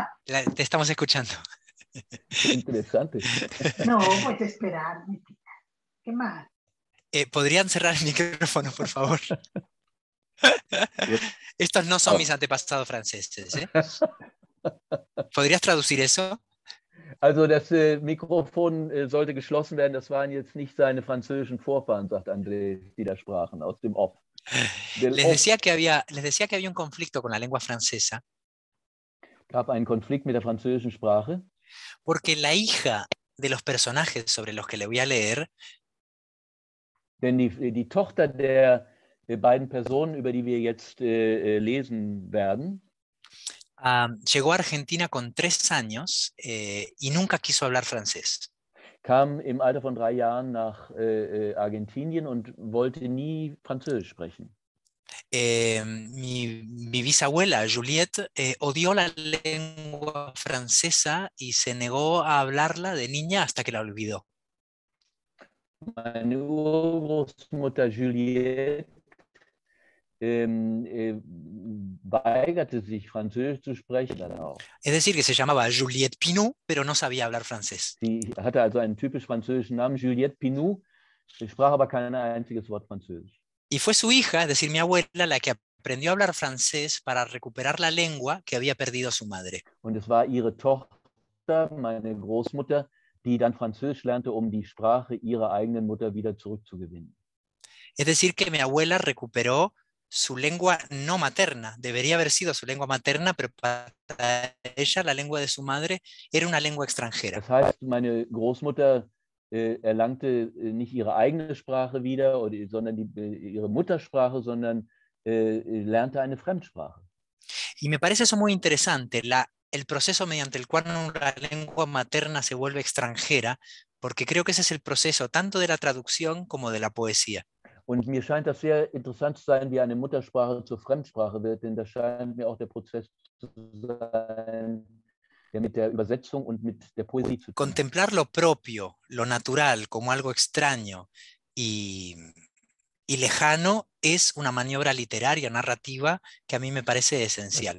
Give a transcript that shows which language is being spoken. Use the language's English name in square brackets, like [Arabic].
[Spanish] Te estamos escuchando. Interesante. No, pues esperar. ¿Qué más? ¿Podrían cerrar el micrófono, por favor? Estos no son mis antepasados franceses, ¿eh? ¿Podrías traducir eso? [German] Also das Mikrofon sollte geschlossen werden, das waren jetzt nicht seine französischen Vorfahren, sagt André, die da sprachen, aus dem Off. [Spanish] Les decía que había un conflicto con la lengua francesa. [German] Gab einen Konflikt mit der französischen Sprache. [Spanish] Porque la hija de los personajes sobre los que le voy a leer. [German] Denn die Tochter der beiden Personen, über die wir jetzt lesen werden, [Spanish] Llegó a Argentina con 3 años y nunca quiso hablar francés. [German] Kam im Alter von 3 Jahren nach Argentinien und wollte nie Französisch sprechen. [Spanish] Mi bisabuela, Juliette, odió la lengua francesa y se negó a hablarla de niña hasta que la olvidó. [German] Meine Urgroßmutter Juliette weigerte sich, Französisch zu sprechen. [Spanish] Es decir, que se llamaba Juliette Pinou, pero no sabía hablar francés. [German] Sie hatte also einen typisch französischen Namen, Juliette Pinou, sprach aber kein einziges Wort Französisch. [Spanish] Y fue su hija, es decir, mi abuela, la que aprendió a hablar francés para recuperar la lengua que había perdido su madre. [German] Und es war ihre Tochter, meine Großmutter, die dann Französisch lernte, um die Sprache ihrer eigenen Mutter wieder zurückzugewinnen. [Spanish] Es decir, que mi abuela recuperó su lengua no materna. Debería haber sido su lengua materna, pero para ella la lengua de su madre era una lengua extranjera. [German] Das heißt, meine Großmutter erlangte nicht ihre eigene Sprache wieder, sondern ihre Muttersprache, sondern lernte eine Fremdsprache. [Spanish] Y me parece eso muy interesante, el proceso mediante el cual una lengua materna se vuelve extranjera, porque creo que ese es el proceso tanto de la traducción como de la poesía. [German] Und mir scheint das sehr interessant zu sein, wie eine Muttersprache zur Fremdsprache wird, denn das scheint mir auch der Prozess zu sein, der mit der Übersetzung und mit der Poesie zu tun hat. [Spanish] Contemplar lo propio, lo natural, como algo extraño y lejano, es una maniobra literaria, narrativa, que a mí me parece esencial.